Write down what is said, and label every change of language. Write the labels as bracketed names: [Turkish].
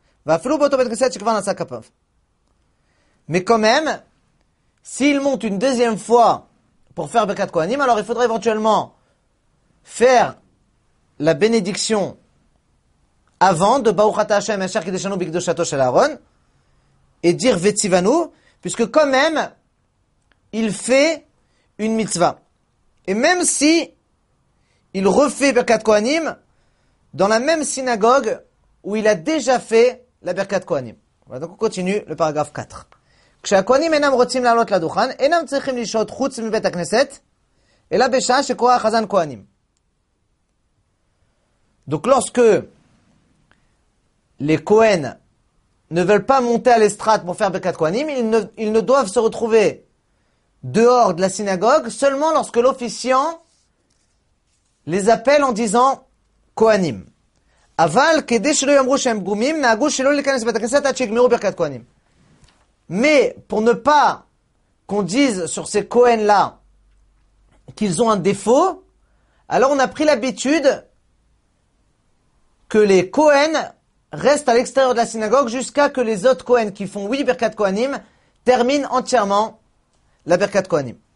[Hebrew] Vafilu boto bet kneset shekvar nasa kapav. [French] Mais quand même, s'il monte une deuxième fois pour faire Birkat Kohanim, alors il faudra éventuellement faire la bénédiction avant de [Hebrew] Baruch Ata Hashem Asher Kideshanu Bikdoshato Shel Aaron [French] et dire Vetzivanu, puisque quand même, il fait une mitzvah. Et même si il refait Birkat Kohanim dans la même synagogue où il a déjà fait la Birkat Kohanim. Voilà, donc on continue le paragraphe 4. [Hebrew] כשהכהנים אינם רוצים לעלות לדוכן, אינם צריכים לשהות חוץ מבית הכנסת, אלא בשעה שקורא החזן כהנים. [French] Donc lorsque les Kohen ne veulent pas monter à l'estrade pour faire Birkat Kohanim, ils ne doivent se retrouver dehors de la synagogue seulement lorsque l'officiant les appelle en disant Kohanim. [Hebrew] אבל כדי שלא יאמרו שהם גומים, נהגו שלא להיכנס לבית הכנסת עד שיגמרו ברכת כהנים. [French] Mais pour ne pas qu'on dise sur ces Kohen-là qu'ils ont un défaut, alors on a pris l'habitude que les Kohen restent à l'extérieur de la synagogue jusqu'à que les autres Kohen qui font oui Birkat Kohanim terminent entièrement la Birkat Kohanim.